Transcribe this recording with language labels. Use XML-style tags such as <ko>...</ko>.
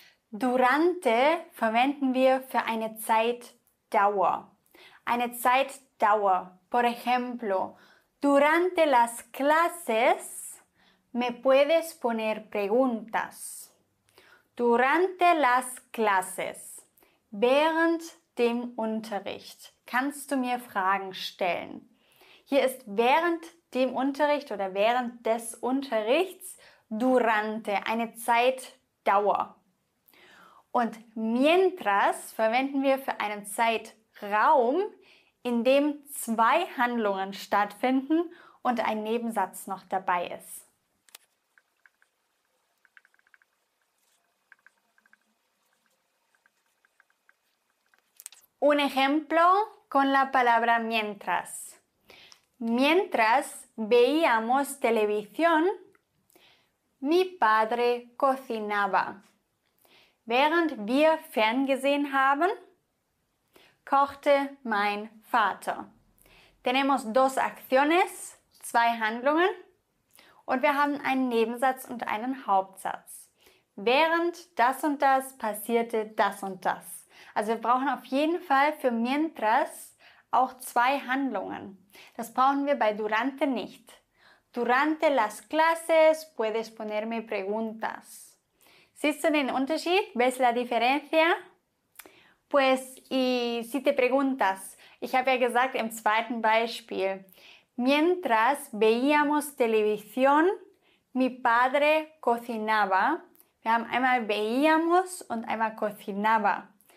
<de>Durante verwenden wir für eine Zeitdauer. Eine Zeitdauer.</de> <es>Por ejemplo, durante las clases me puedes poner preguntas. Durante las clases.</es> <de>Während dem Unterricht. Kannst du mir Fragen stellen? Hier ist während dem Unterricht oder während des Unterrichts durante, eine Zeitdauer. Und mientras verwenden wir für einen Zeitraum, in dem zwei Handlungen stattfinden und ein Nebensatz noch dabei ist.</de> <es>Un ejemplo con la palabra mientras. Mientras veíamos televisión, mi padre cocinaba.</es> <de>Während wir ferngesehen haben, kochte mein Vater. Tenemos dos acciones, zwei Handlungen und wir haben einen Nebensatz und einen Hauptsatz. Während das und das passierte das und das. Also wir brauchen auf jeden Fall für mientras auch zwei Handlungen. Das brauchen wir bei durante nicht.</de> <es>Durante las clases puedes ponerme preguntas.</es> <de>¿Siehst du den Unterschied?</de> <es>¿Ves la diferencia? Pues, y si te preguntas, ich habe ja gesagt im zweiten Beispiel, mientras veíamos televisión, mi padre cocinaba.</es> <de>Wir haben einmal veíamos und einmal cocinaba.</de>